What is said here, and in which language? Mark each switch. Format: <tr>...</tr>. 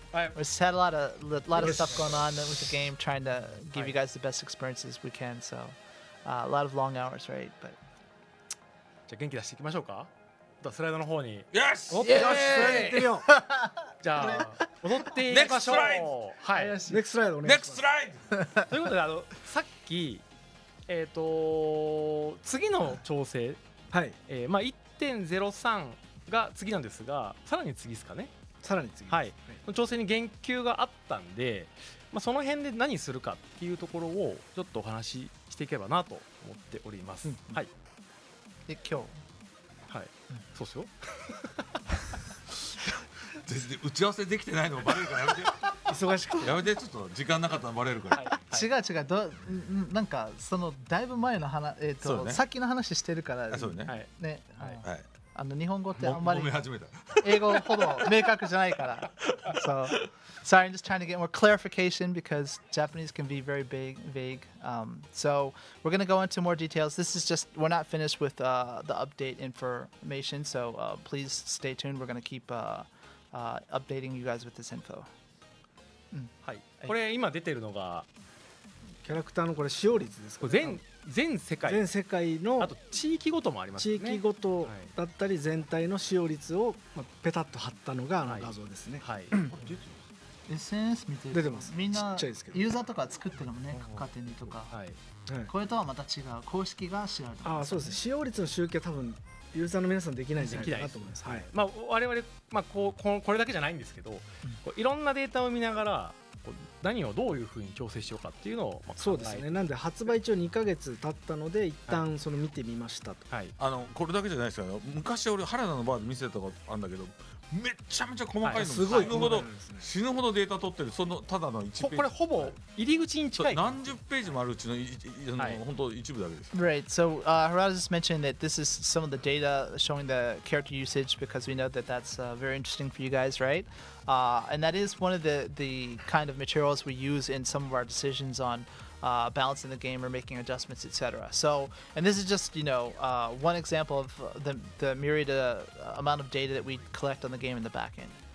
<en>We just had a lot of stuff going on with the game, trying to give you guys the best experiences we can, so、a lot of long hours, right? But</en> <ja>じゃあ元気出していきましょうか。スライドの方に。</ja> <en>Yes!</en> <ja>よし、スライド行ってみよう。じゃあ踊っていきましょう。</ja> <en>Next slide。</en> <ja>はい。</ja> <en>Next slide</en> <ja>お願いします。</ja> <en>Next slide。</en> <ja>ということで、さっき、次の調整、はい、まあ、1.03 が次なんですが、さらに次ですかね。さらに次、はい、その調整に言及があったんで、まあ、その辺で何するかっていうところをちょっとお話ししていければなと思っております、うん、はい。で今日、そうっすよ全然打ち合わせできてないのもバレるからやめて忙しくやめて、ちょっと時間なかったのバレるから、はいはい、違う違う、なんかそのだいぶ前の話、そうね、さっきの話してるから。あ、そうね、はい、ね、はい、あの日本語ってあんまり揉め始めた英語ほど明確じゃないからSo,</ja> <en>sorry, I'm just trying to get more clarification because Japanese can be very big, vague. So we're going to go into more details. This is just, we're not finished with the update information. So please stay tuned. We're going to keep updating you guys with this info.、うん、</en> <ja>はい、これ今出てるのがキャラクターのこれ使用率ですか、ね、これ全世界のあと地域ごともありますね。地域ごとだったり全体の使用率をまあペタッと貼ったのがあの画像ですね。はい、はい、SNS 見てる出てます。みんなちっちゃいですけど、ユーザーとか作ってるのもね、各家庭にとか、はい、これとはまた違う公式が知られてます、ね、あ、そうですね。使用率の集計は多分ユーザーの皆さんできないんじゃないかなと思います。はい、まあ、我々、まあ、これだけじゃないんですけど、うん、いろんなデータを見ながら何をどういうふうに調整しようかっていうのを考え、そうですね。なんで発売中2ヶ月経ったので一旦その見てみましたと、はい、あのこれだけじゃないですよ。昔俺原田のバーで見せたことあるんだけど、めちゃめちゃ細かいの、はい、すごい死ぬほど、死ぬほどデータ取ってる。そのただの1ページ、これほぼ入り口に近い何十ページもあるうちの、はい、本当一部だけです。</ja> <en>Right, so Harada just mentioned that this is some of the data showing the character usage, because we know that that's very interesting for you guys, right? And that is one of the kind of materials we use in some of our decisions onbalancing the game or making adjustments, etc. So, and this is just, you know, one example of the myriad amount of data that we collect on the game in the back end.</en>